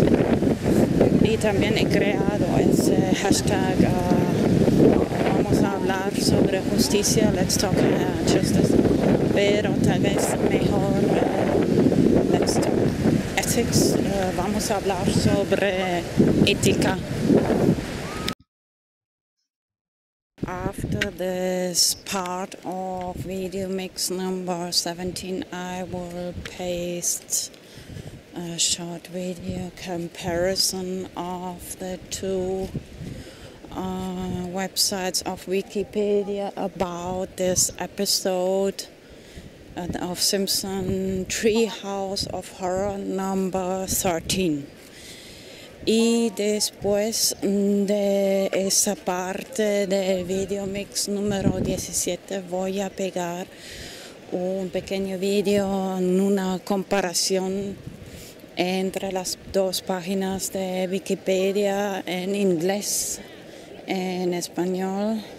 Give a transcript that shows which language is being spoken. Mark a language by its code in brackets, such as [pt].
[es] Y también he creado ese hashtag, vamos a hablar sobre justicia, [en] Let's Talk Justice, [es] pero tal vez mejor, [en] Let's Talk Ethics, [es] vamos a hablar sobre ética. [en] After this part of video mix number 17, I will paste a short video comparison of the two websites of Wikipedia about this episode of Simpson Treehouse of Horror number 13. [es] Y después de esa parte de video mix número 17 voy a pegar un pequeño video en una comparación entre las dos páginas de Wikipedia en inglés, en español,